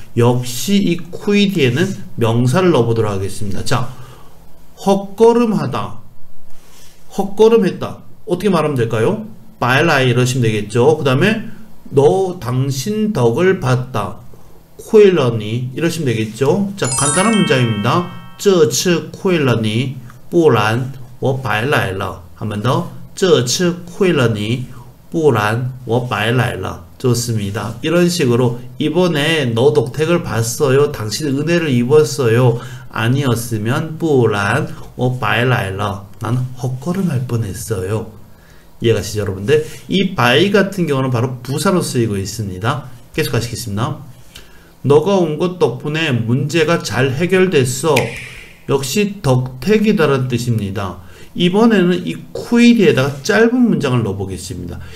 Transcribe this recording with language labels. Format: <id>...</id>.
<ko>역시 이 쿠이 뒤에는 명사를 넣어보도록 하겠습니다. 자, 헛걸음하다. 헛걸음했다. 어떻게 말하면 될까요? 빨라이 이러시면 되겠죠. 그 다음에 너 당신 덕을 봤다. 쿠일러니 이러시면 되겠죠. 자, 간단한 문장입니다.</ko> <zh>这次亏了你, 不然我白来了.</zh> <ko>한번 더.</ko> <zh>这次亏了你, 不然我白来了.</zh> <ko>좋습니다. 이런 식으로 이번에 너 덕택을 봤어요. 당신 은혜를 입었어요. 아니었으면</ko> <zh>不然我白来了.</zh> <ko>난 헛걸음할 뻔했어요. 이해가시죠, 여러분들? 이 by 같은 경우는 바로 부사로 쓰이고 있습니다. 계속 하시겠습니다. 너가 온것 덕분에 문제가 잘 해결됐어. 역시 덕택이다라는 뜻입니다. 이번에는 이 쿠이 뒤에다가 짧은 문장을 넣어보겠습니다.</ko>